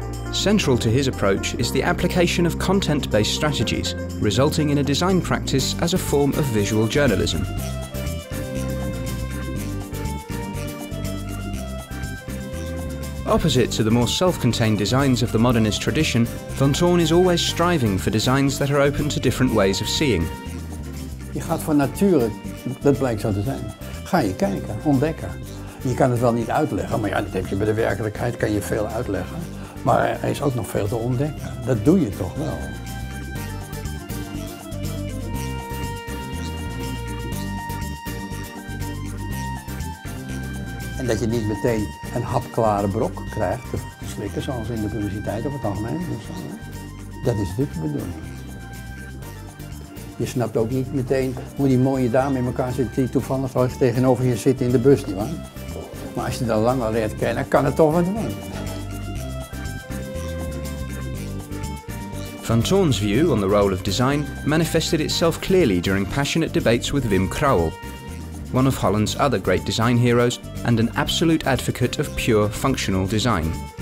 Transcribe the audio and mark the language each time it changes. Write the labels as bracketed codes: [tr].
[en] Central to his approach is the application of content-based strategies, resulting in a design practice as a form of visual journalism. Opposite to the more self-contained designs of the modernist tradition, Van Toorn is always striving for designs that are open to different ways of seeing. [nl] Je gaat van nature, dat blijkt zo te zijn. Ga je kijken, ontdekken. Je kan het wel niet uitleggen, maar ja, dat heb je bij de werkelijkheid, kan je veel uitleggen. Maar er is ook nog veel te ontdekken. Dat doe je toch wel. En dat je niet meteen een hapklare brok krijgt te slikken, zoals in de publiciteit of het algemeen. Dat is de bedoeling. Je snapt ook niet meteen hoe die mooie dame in elkaar zit die toevallig tegenover je zit in de bus. Niet? Maar als je dat lang al leert kennen, kan het toch wat doen. [en] Van Toorn's view on the role of design manifested itself clearly during passionate debates with Wim Crowell, one of Holland's other great design heroes and an absolute advocate of pure functional design.